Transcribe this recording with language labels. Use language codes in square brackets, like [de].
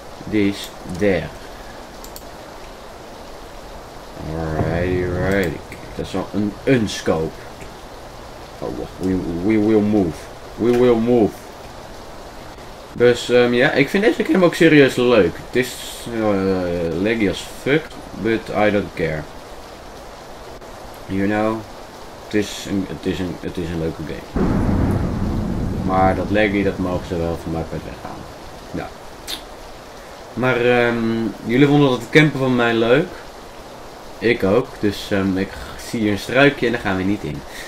[en] This there. [nl] Alrighty, alrighty. Dat is wel een unscope. [en] We will move. [nl] Dus ja, ik vind deze game ook serieus leuk. Het is [en] laggy as fuck, but I don't care. You know, [nl] het is een leuke game. Maar dat laggy, dat mogen ze wel van mij kwijt weggaan. Ja. Maar jullie vonden het campen van mij leuk. Ik ook. Dus ik zie hier een struikje en daar gaan we niet in.